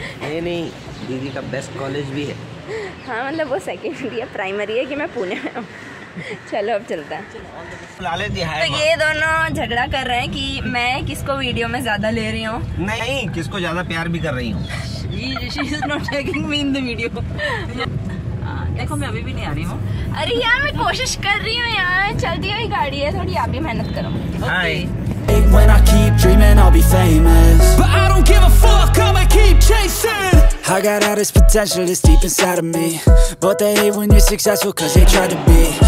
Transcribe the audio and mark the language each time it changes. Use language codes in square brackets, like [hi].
[hi] नहीं नहीं, दीदी का बेस्ट कॉलेज भी है। हाँ मतलब वो सेकेंडरी है, प्राइमरी है कि मैं पुणे में हूँ। चलो अब चलते हैं। तो ये दोनों झगड़ा कर रहे हैं कि मैं किसको वीडियो में ज्यादा ले रही हूँ। नहीं, किसको ज्यादा प्यार भी कर रही हूँ। [en] She is not taking me in the video. [hi] देखो मैं अभी भी नहीं आ रही हूँ। अरे यार मैं कोशिश कर रही हूँ यार, चलती हुई गाड़ी है, थोड़ी आप भी मेहनत करो। हाय। [en] When I keep dreaming, I'll be famous. But I don't give a fuck, I'ma keep chasing. I got all this potential that's deep inside of me. But they hate when you're successful cause they try to be.